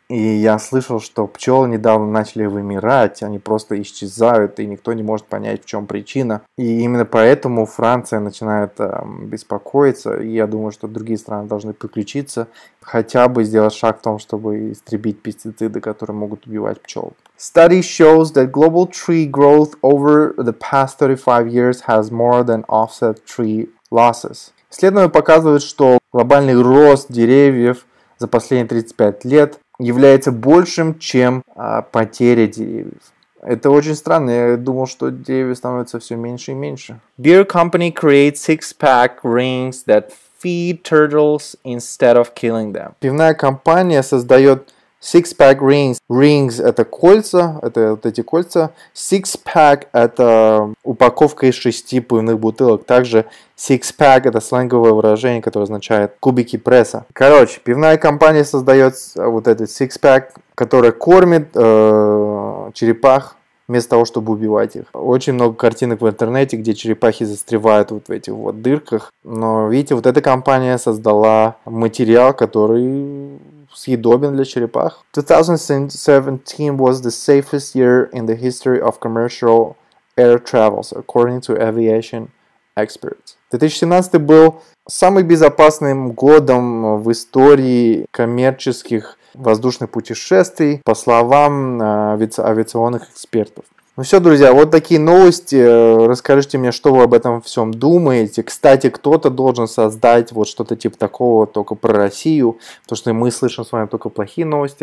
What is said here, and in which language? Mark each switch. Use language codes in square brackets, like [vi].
[ru] И я слышал, что пчелы недавно начали вымирать, они просто исчезают, и никто не может понять, в чем причина. И именно поэтому Франция начинает беспокоиться, и я думаю, что другие страны должны подключиться, хотя бы сделать шаг в том, чтобы истребить пестициды, которые могут убивать пчел. [en] Study shows that global tree growth over the past 35 years has more than offset tree losses. [ru] Исследования показывают, что глобальный рост деревьев за последние 35 лет является большим, чем потеря деревьев. Это очень странно, я думал, что деревья становятся все меньше и меньше. [en] Beer company creates six-pack rings that feed turtles instead of killing them. [ru] Пивная компания создает six-pack rings. Rings – это кольца, это вот эти кольца. Six-pack – это упаковка из шести пивных бутылок. Также six-pack – это сленговое выражение, которое означает кубики пресса. Короче, пивная компания создает вот этот six-pack, который кормит черепах вместо того, чтобы убивать их. Очень много картинок в интернете, где черепахи застревают вот в этих вот дырках. Но, видите, вот эта компания создала материал, который съедобен для черепах. [en] 2017 was the safest year in the history of commercial air travels, according to aviation experts. [ru] 2017 был самым безопасным годом в истории коммерческих воздушных путешествий, по словам авиационных экспертов. Ну все, друзья, вот такие новости. Расскажите мне, что вы об этом всем думаете. Кстати, кто-то должен создать вот что-то типа такого только про Россию, потому что мы слышим с вами только плохие новости.